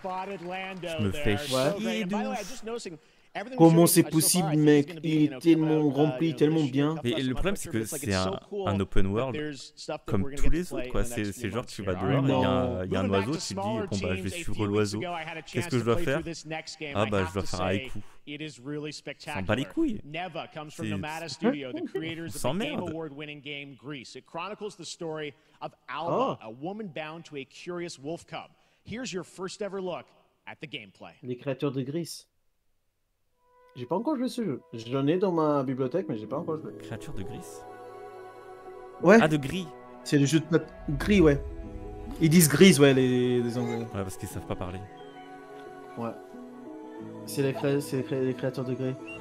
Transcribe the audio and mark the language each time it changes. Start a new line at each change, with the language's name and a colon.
French: Je me fais chier de ouf. Comment c'est possible, mec? Il est tellement rempli, tellement bien. Mais le problème, c'est que c'est un open world comme tous les autres, quoi. C'est genre, tu vas dehors, il y a un oiseau, tu te dis, bon, bah, je vais suivre l'oiseau. Qu'est-ce que je dois faire? Ah, bah, je dois faire un haïku.
English: It is really spectacular.
French: S'en bat les couilles.
English: Neva comes from Nomada Studio, the creators of the Game Award-winning game Grease. It chronicles the story of Alba, a woman bound to a curious wolf cub. Here's your first ever look at the gameplay.
French: Les créateurs de Grease. J'ai pas encore joué ce jeu. J'en ai dans ma bibliothèque, mais j'ai pas encore joué. Créature de Grease. Ouais. Ah, de Gris. C'est le jeu de Gris, ouais. Ils disent Grease, ouais, les Anglais. Ouais, parce qu'ils savent pas parler. Ouais. C'est les créateurs de Gris.